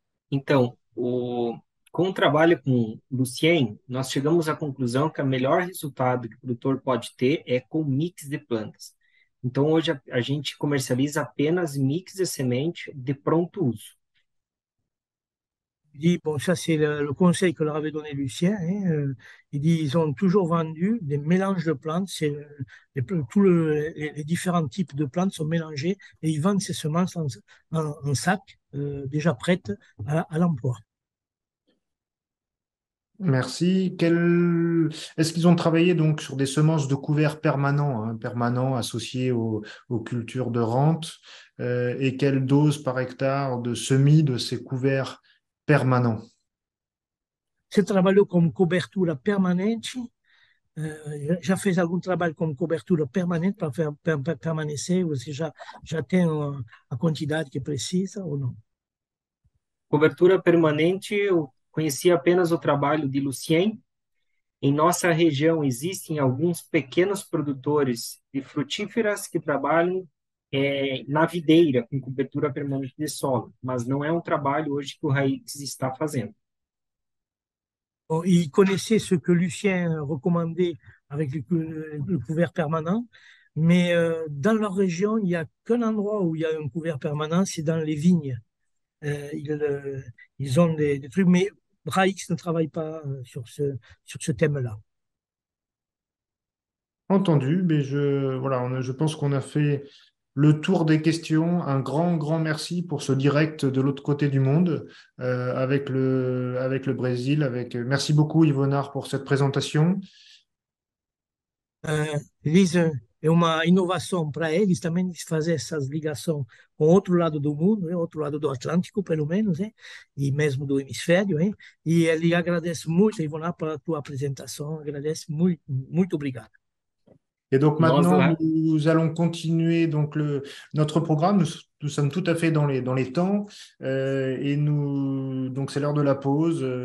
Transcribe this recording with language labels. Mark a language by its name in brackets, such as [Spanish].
[Portuguese] Então, com o trabalho com o Lucien, nós chegamos à conclusão que o melhor resultado que o produtor pode ter é com mix de plantas. Então, hoje a gente comercializa apenas mix de semente de pronto uso. [French] Bon, ça, c'est le conseil que leur avait donné Lucien. Hein. Il dit, ils ont toujours vendu des mélanges de plantes. Les différents types de plantes sont mélangés et ils vendent ces semences en sac, déjà prêtes à l'emploi. Merci. Est-ce qu'ils ont travaillé donc sur des semences de couvert permanent, associées aux cultures de rente? Et quelle dose par hectare de semis de ces couverts permanents? [Portuguese] Se trabalhou como cobertura permanente, já fez algum trabalho como cobertura permanente para permanecer? Você já tem a quantidade que precisa ou não? Cobertura permanente, eu conheci apenas o trabalho de Lucien. Em nossa região existem alguns pequenos produtores de frutíferas que trabalham na videira com cobertura permanente de solo, mas não é um trabalho hoje que o Raízes está fazendo. [French] Bon, il connaissait ce que Lucien recommandait avec le couvert permanent. Mais dans leur région, il n'y a qu'un endroit où il y a un couvert permanent, c'est dans les vignes. Ils ont des trucs, mais Raïx ne travaille pas sur ce thème-là. Entendu, mais je pense qu'on a fait le tour des questions. Un grand, grand merci pour ce direct de l'autre côté du monde, avec le Brésil. Merci beaucoup, Yves Onard, pour cette présentation. [Portuguese] Lise, é uma inovação para eles também fazer essas ligações com outro lado do mundo, né? Outro lado do Atlântico, pelo menos, né? E mesmo do hemisfério, hein? E ele agradece muito, Ivonar, pela tua apresentação, agradece muito, muito obrigado. [French] Et donc [Portuguese] Nós [French] maintenant, [Portuguese] lá. [French] nous allons continuer donc notre programme. Nous sommes tout à fait dans les temps. Et nous, donc c'est l'heure de la pause.